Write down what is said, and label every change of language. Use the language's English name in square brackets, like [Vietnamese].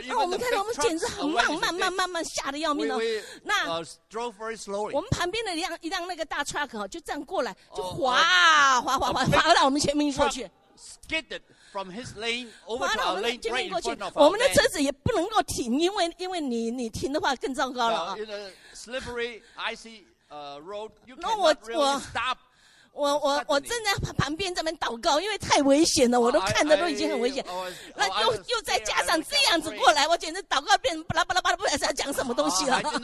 [Chinese] 然后我们看到我们简直很慢慢吓得要命了。那 [English] drove very slowly。 [Chinese] 我们旁边的一辆那个大 truck 哈，就这样过来，就滑滑滑滑滑到我们前面过去。 [English] Skidded from his lane over to our lane right in front of our lane。 [Chinese] 我们的车子也不能够停，因为你停的话更糟糕了啊。 [English] In a slippery icy road, you cannot really stop。 [Chinese] 我正在旁边这边祷告，因为太危险了，我都看着都已经很危险。那又再加上这样子过来，我简直祷告变巴拉巴拉巴拉，不知道要讲什么东西了。